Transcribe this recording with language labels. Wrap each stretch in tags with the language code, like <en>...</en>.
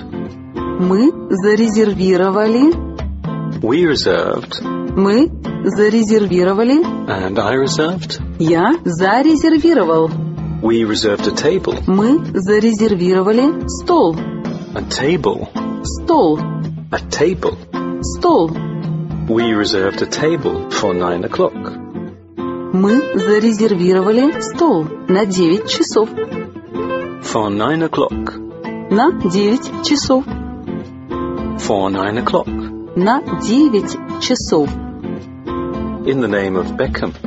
<ru>Мы зарезервировали.</ru> <en>We reserved.</en> <ru>Мы зарезервировали.</ru> <en>And I reserved.</en> <ru>Я зарезервировал.</ru> <en>We reserved a table.</en> <ru>Мы зарезервировали стол.</ru> <en>A table.</en> <ru>Стол.</ru> <en>A table.</en> <ru>Стол.</ru> <en>We reserved a table for 9 o'clock.</en> <ru>Мы зарезервировали стол на 9 часов.</ru> <en>For 9 o'clock.</en> <ru>На 9 часов.</ru> <en>For 9 o'clock.</en> <ru>На 9 часов.</ru> <en>In the name of Beckham.</en>